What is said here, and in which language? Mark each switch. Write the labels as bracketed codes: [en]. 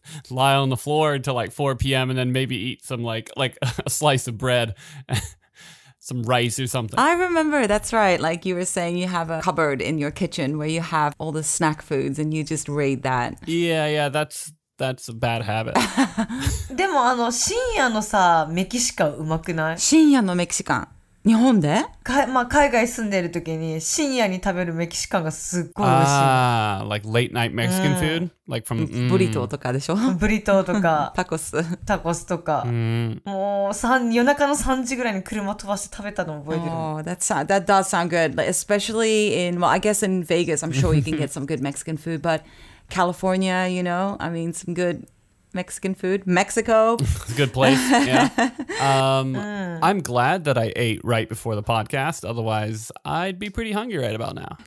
[en] lie on the floor until like 4 p.m. and then maybe eat some like a slice of bread. Some rice or something. I remember, that's right. Like you were saying, you have a cupboard in your kitchen where you have all the snack foods and you just raid that. Yeah, that's a bad habit. [ja] でも深夜のさ、メキシカンうまくない？深夜のメキシカン。日本で？か、まあ、海外住んでる時に深夜に食べるメキシカンがすっごい美味しい。 [en] ああ、 like late night Mexican food? Like from... [ja] ブリトーとかでしょ？ブリトーとか。タコス。タコスとか。もう夜中の3時ぐらいに車飛ばして食べたの覚えてる。 [en] Oh, that does sound good. But especially in, well, I guess in Vegas, I'm sure you can get some good Mexican food. But California, you know, I mean, some good... Mexican food, Mexico. It's a good place. Yeah. I'm glad that I ate right before the podcast. Otherwise, I'd be pretty hungry right about now.